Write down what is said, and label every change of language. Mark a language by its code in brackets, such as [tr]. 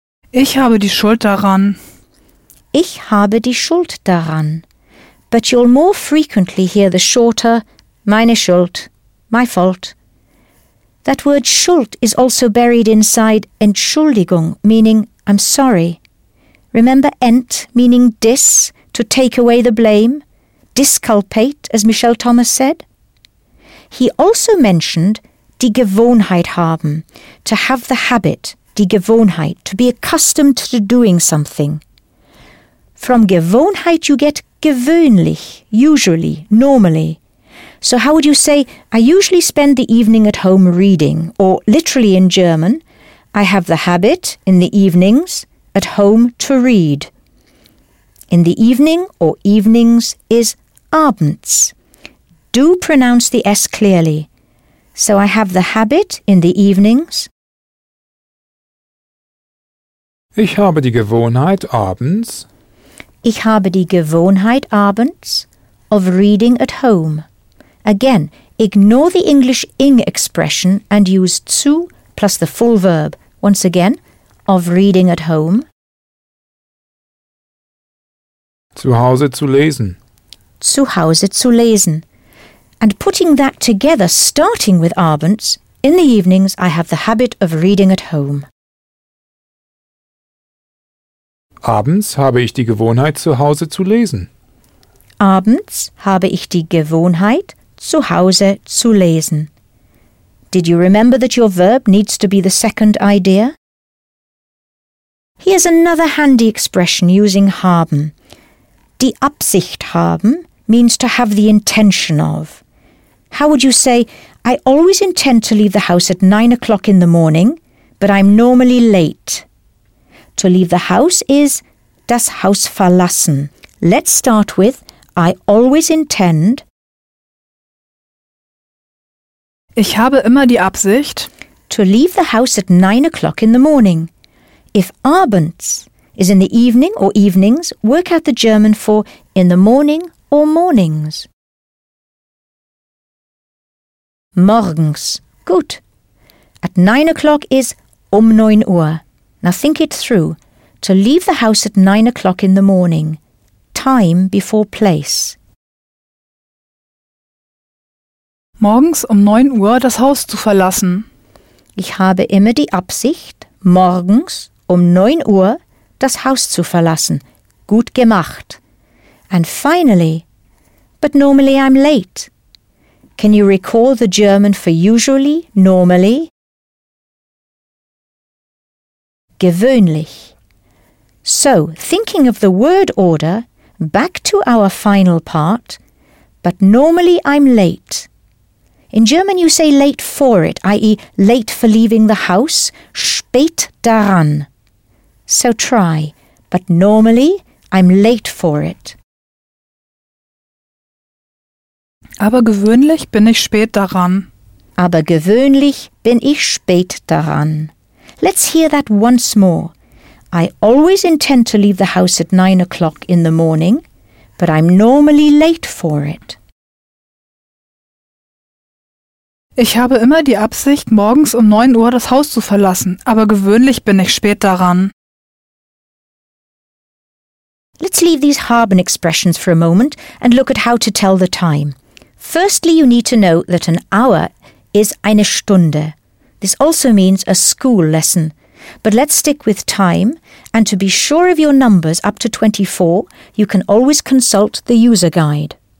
[de] Ich habe die Schuld daran. Ich habe die Schuld daran. [en] But you'll more frequently hear the shorter, [de] meine Schuld. [en] My fault. That word Schuld is also buried inside Entschuldigung, meaning I'm sorry. Remember Ent, meaning dis, to take away the blame? Disculpate, as Michelle Thomas said. He also mentioned [de] die Gewohnheit haben, [en] to have the habit, die Gewohnheit, to be accustomed to doing something. From Gewohnheit you get gewöhnlich, usually, normally. So how would you say, I usually spend the evening at home reading, or literally in German, I have the habit, in the evenings, at home to read. In the evening, or evenings, is abends. Do pronounce the S clearly. So I have the habit, in the evenings. [de] Ich habe die Gewohnheit abends. Ich habe die Gewohnheit abends [en] of reading at home. Again, ignore the English ing expression and use zu plus the full verb. Once again, of reading at home. [de] Zu Hause zu lesen. zu Hause zu lesen. [en] And putting that together, starting with Abends, in the evenings I have the habit of reading at home. [de] Abends habe ich die Gewohnheit, zu Hause zu lesen. Abends habe ich die Gewohnheit, zu Hause zu lesen. [en] Did you remember that your verb needs to be the second idea? Here's another handy expression using haben. [de] Die Absicht haben [en] means to have the intention of. How would you say, I always intend to leave the house at 9 o'clock in the morning, but I'm normally late? To leave the house is [de] das Haus verlassen. [en] Let's start with I always intend. [de] Ich habe immer die Absicht. [en] To leave the house at 9 o'clock in the morning. If abends is in the evening or evenings, work out the German for in the morning or mornings. [de] Morgens. Gut. [en] At 9 o'clock is 9 Uhr. Now think it through. To leave the house at 9 o'clock in the morning. Time before place. [de] Morgens 9 Uhr das Haus zu verlassen. Ich habe immer die Absicht, morgens 9 Uhr das Haus zu verlassen. Gut gemacht. [en] And finally, but normally I'm late. Can you recall the German for usually, normally? Gewöhnlich. So, thinking of the word order, back to our final part, but normally I'm late. In German you say late for it, i.e. late for leaving the house, [de] spät daran. [en] So try, but normally I'm late for it. [de] Aber gewöhnlich bin ich spät daran. Aber gewöhnlich bin ich spät daran. [en] Let's hear that once more. I always intend to leave the house at 9 o'clock in the morning, but I'm normally late for it. [de] Ich habe immer die Absicht, morgens 9 Uhr das Haus zu verlassen, aber gewöhnlich bin ich spät daran. [en] Let's leave these haben expressions for a moment and look at how to tell the time. Firstly, you need to know that an hour is eine Stunde. This also means a school lesson. But let's stick with time, and to be sure of your numbers up to 24, you can always consult the user guide.